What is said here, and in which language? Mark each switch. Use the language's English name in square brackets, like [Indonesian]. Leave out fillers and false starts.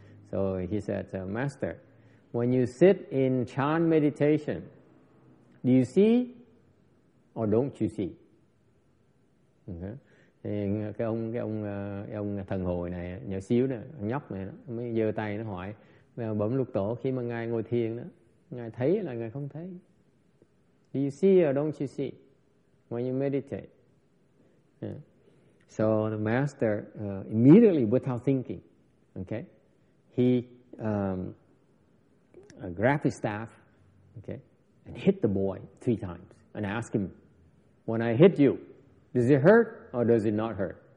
[English] So he said, "Master, when you sit in Chan meditation, do you see or don't you see?" Okay. [Vietnamese] Thì cái ông thần hồi này nhỏ xíu nè, nhóc này mới giơ tay nó hỏi. Bấm lục tổ, khi mà ngài ngồi thiền đó, ngài thấy là ngài không thấy. [English] Do you see or don't you see when you meditate? Yeah. So the master immediately, without thinking, okay, he grabbed his staff, okay, and hit the boy 3 times and asked him, "When I hit you, does it hurt or does it not hurt?"